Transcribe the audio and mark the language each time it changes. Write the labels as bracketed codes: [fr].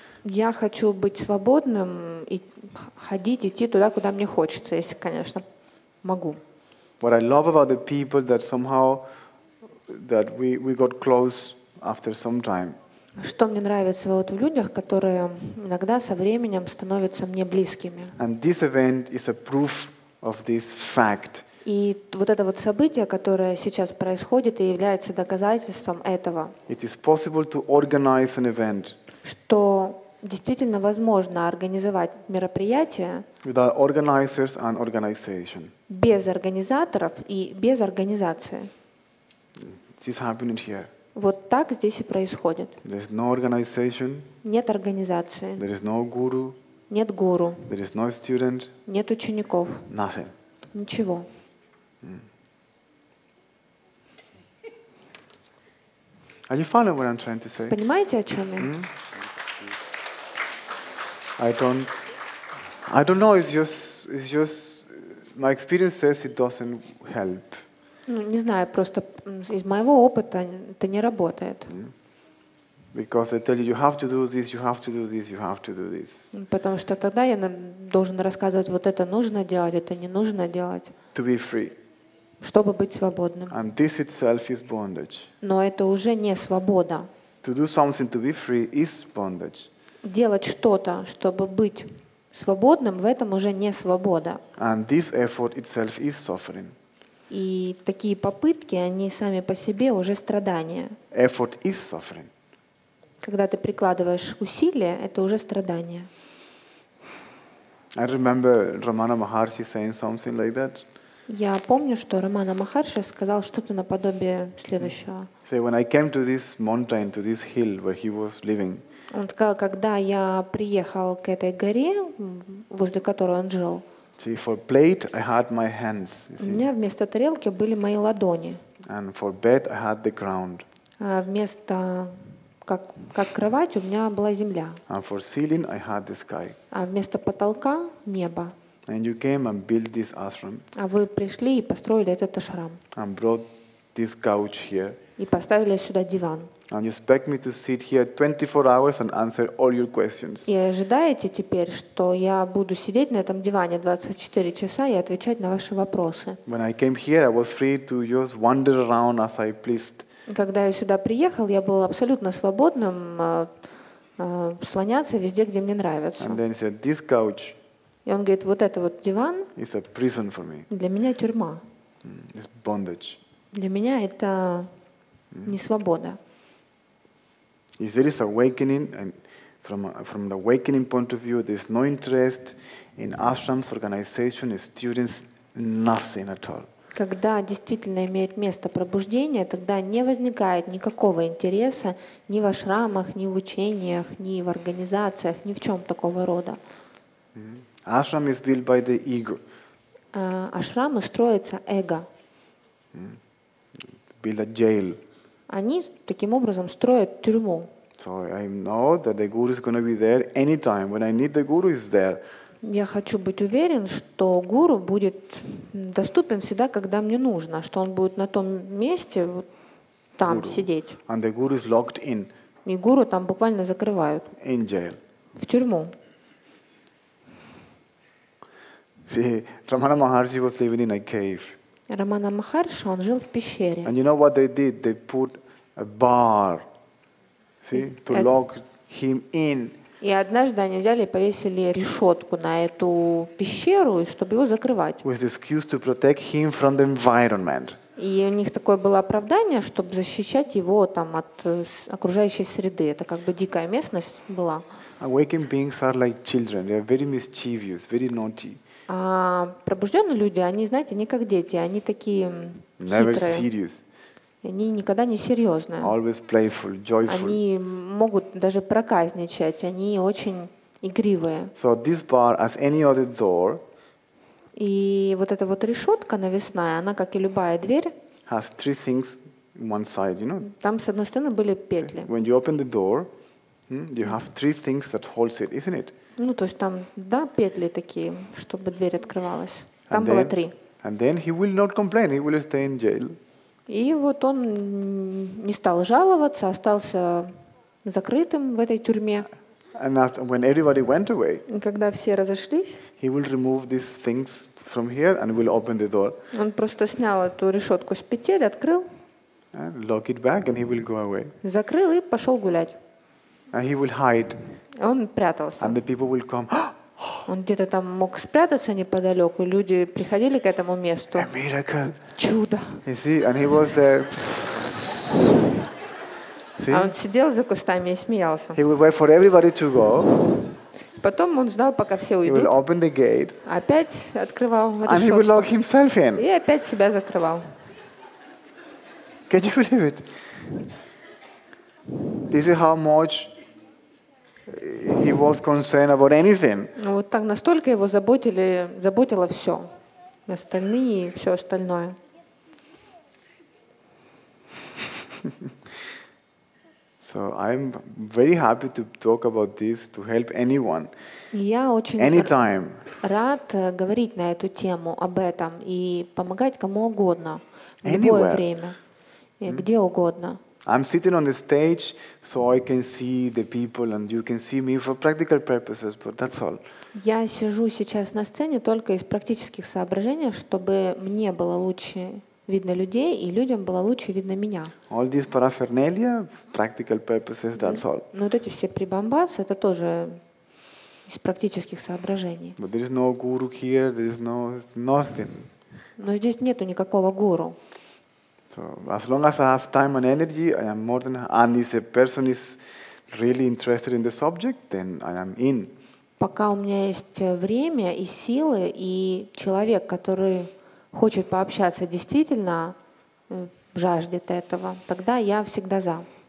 [ru] Я хочу быть свободным и ходить, идти туда, куда мне хочется, если, конечно, могу. [en] What I love about the people that somehow that we got close after some time. [ru] Что мне нравится вот в людях, которые иногда со временем становятся мне близкими. [en] And this event is a proof of this fact. [ru] И вот это вот событие, которое сейчас происходит, и является доказательством этого. [en] It is possible to organize an event. [ru] Что действительно возможно организовать мероприятие. [en] Without organizers and organization. [ru] Без организаторов и без организации. [en] This happening here. [ru] Вот так здесь и происходит. [en] There is no organization. [ru] Нет организации. [en] There is no guru. [ru] Нет гуру. [en] There is no student. [ru] Нет учеников. [en] Nothing. [ru] Ничего. [en] Are you following what I'm trying to say? [ru] Понимаете, о чем я? [en] I don't know. It's just. My experience says it doesn't help. [ru] Ну, не знаю, просто из моего опыта это не работает. [en] Because I tell you, you have to do this, you have to do this, you have to do this. [ru] Потому что тогда я должен рассказывать, вот это нужно делать, это не нужно делать. [en] To be free. [ru] Чтобы быть свободным. [en] And this itself is bondage. [ru] Но это уже не свобода. [en] To do something to be free is bondage. [ru] Делать что-то, чтобы быть свободным, в этом уже не свобода. [en] And this effort itself is suffering. [ru] И такие попытки, они сами по себе уже страдания. [en] Effort is suffering. [ru] Когда ты прикладываешь усилия, это уже страдание. [en] I remember Ramana Maharshi saying something like that. [ru] Я помню, что Рамана Махарши сказал что-то наподобие следующего. [en] So when I came to this mountain, to this hill where he was living. [ru] Он сказал, когда я приехал к этой горе, возле которой он жил. [en] See, for plate I had my hands. [ru] У меня вместо тарелки были мои ладони. [en] And for bed I had the ground. [ru] А вместо как кровать у меня была земля. [en] And for ceiling I had the sky. [ru] А вместо потолка небо. [en] And you came and built this ashram. [ru] А вы пришли и построили этот ашрам. [en] And brought this couch here. [ru] И поставили сюда диван. [en] And you expect me to sit here 24 hours and answer all your questions. [ru] И ожидаете теперь, что я буду сидеть на этом диване 24 часа и отвечать на ваши вопросы? [en] When I came here, I was free to just wander around as I pleased. [ru] Когда я сюда приехал, я был абсолютно свободным слоняться везде, где мне нравится. [en] And then he said, this couch. [ru] И он говорит, вот это вот диван [en] it's a prison for me. [ru] Для меня тюрьма. [en] It's bondage. [ru] Для меня это не свобода. [en] If there is awakening and from an awakening point of view, there's no interest in ashrams, organization, students, nothing at all. [ru] Когда действительно имеет место пробуждение, тогда не возникает никакого интереса ни в ашрамах, ни в учениях, ни в организациях, ни в чем такого рода. [en] Ashram is built by the ego. [ru] Ашрамы строятся эго. [en] Build a jail. [ru] Они таким образом строят тюрьму. [en] So I know that the guru is going to be there anytime. When I need the guru, he's there. [ru] Я хочу быть уверен, что гуру будет доступен всегда, когда мне нужно, что он будет на том месте там [en] guru. [ru] Сидеть. [en] And the guru is locked in. [ru] И гуру там буквально закрывают. [en] In jail. [ru] В тюрьму. [en] See, Ramana Maharshi was living in a cave. [ru] Рамана Махарши, он жил в пещере. [en] And you know what they did? They put a bar, see, to lock him in. [ru] И однажды они взяли и повесили решетку на эту пещеру, чтобы его закрывать. [en] With the excuse to protect him from the environment. [ru] И у них такое было оправдание, чтобы защищать его там от окружающей среды. Это как бы дикая местность была. [en] Awakened beings are like children. They are very mischievous, very naughty. [ru] А пробужденные люди, они, знаете, не как дети, они такие [en] Never [ru] хитрые. [en] Serious. [ru] Они никогда не серьезные. [en] Always playful, joyful. [ru] Они могут даже проказничать, они очень игривые. [en] So this bar, as any other door, [ru] и вот эта вот решетка навесная, она, как и любая дверь, [en] has three things one side, you know? [ru] Там с одной стороны были петли. [en] When you open the door, you have three things that holds it, isn't it? [ru] Ну, то есть там, да, петли такие, чтобы дверь открывалась. Там было три. [en] And then he will not complain, he will stay in jail. [ru] И вот он не стал жаловаться, остался закрытым в этой тюрьме. [en] And after, when everybody went away, [ru] когда все разошлись, [en] he will remove these things from here and will open the door. [ru] Он просто снял эту решетку с петель, открыл. [en] And lock it back and he will go away. [ru] Закрыл и пошел гулять. [en] And he will hide. [ru] Он прятался. [en] And the people will come. [ru] Он где-то там мог спрятаться неподалеку. Люди приходили к этому месту. [en] A miracle. [ru] Чудо. [en] You see, and he was there. See? [ru] А он сидел за кустами и смеялся. [en] He will wait for everybody to go. [ru] Потом он ждал, пока все уйдут. [en] He will open the gate. [ru] Опять открывал. [en] And he will lock himself in. [ru] И опять себя закрывал. [en] Can you believe it? This is how much he was concerned about anything. [ru] Вот так настолько его заботило все. Остальные и все остальное. [en] So I'm very happy to talk about this to help anyone. [ru] Я очень [en] anytime. [ru] Рад говорить на эту тему об этом и помогать кому угодно в любое время и где угодно. [en] I'm sitting on the stage so I can see the people and you can see me for practical purposes, but that's all. [ru] Я сижу сейчас на сцене только из практических соображений, чтобы мне было лучше видно людей, и людям было лучше видно меня. [en] All this paraphernalia, practical purposes, that's all. [ru] Но вот эти все прибамбасы, это тоже из практических соображений. [en] But there is no guru here, there is no nothing. [ru] Но здесь нету никакого гуру. [en] So as long as I have time and energy, I am more than. And if a person is really interested in the subject, then I am in. [ru] Пока у меня есть время и силы, и человек, который хочет пообщаться, действительно жаждет этого, тогда я всегда за.